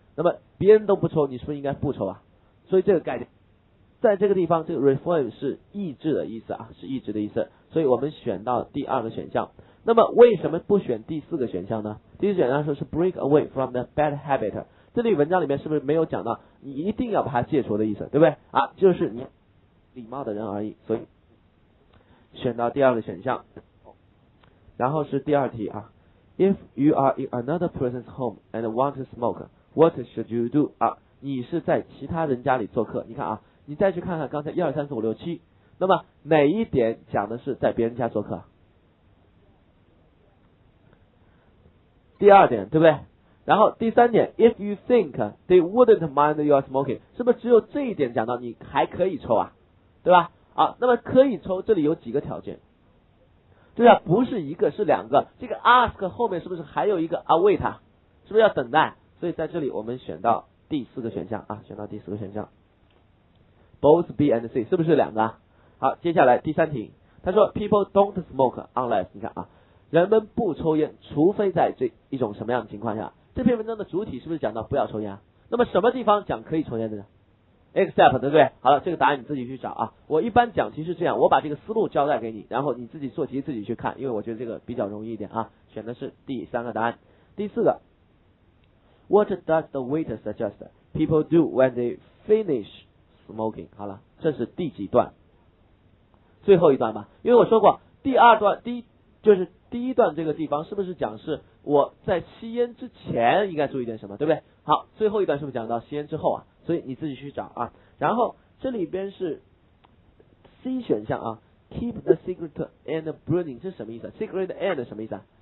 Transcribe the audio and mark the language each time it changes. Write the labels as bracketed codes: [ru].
[zh] 那么别人都不抽，你是不是应该不抽啊？所以这个概念在这个地方，这个 refrain 是抑制的意思啊，是抑制的意思，所以我们选到第二个选项。那么为什么不选第四个选项呢？第四个选项说是 [en] break away from the bad habit， [zh] 这里文章里面是不是没有讲到你一定要把它戒除的意思，对不对啊？就是你礼貌的人而已，所以选到第二个选项。然后是第二题啊， [en] if you are in another person's home and want to smokeWhat should you do 啊？ [zh] 你是在其他人家里做客，你看啊，你再去看看刚才1、2、3、4、5、6、7，那么哪一点讲的是在别人家做客？第二点，对不对？然后第三点 ， [en] If you think they wouldn't mind your smoking， [zh] 是不是只有这一点讲到你还可以抽啊？对吧？啊，那么可以抽，这里有几个条件？对啊，不是一个，是两个。这个 ask 后面是不是还有一个 await？ 是不是要等待？所以在这里我们选到第四个选项啊，选到第四个选项 [en] both B and C [zh] 是不是两个？好，接下来第三题，他说 [en] people don't smoke unless， [zh] 你看啊，人们不抽烟除非在这一种什么样的情况下，这篇文章的主体是不是讲到不要抽烟啊？那么什么地方讲可以抽烟的呢？ except 对不对？好了，这个答案你自己去找啊，我一般讲题是这样，我把这个思路交代给你，然后你自己做题自己去看，因为我觉得这个比较容易一点啊，选的是第三个答案。第四个， [en] What does the waiter suggest people do when they finish smoking? [zh] 好了，这是第几段？最后一段吧，因为我说过第二段，第一段这个地方是不是讲是我在吸烟之前应该注意点什么，对不对？好，最后一段是不是讲到吸烟之后啊？所以你自己去找啊。然后这里边是 C 选项啊， [en] keep the secret and burning [zh] 是什么意思？secret and 什么意思啊？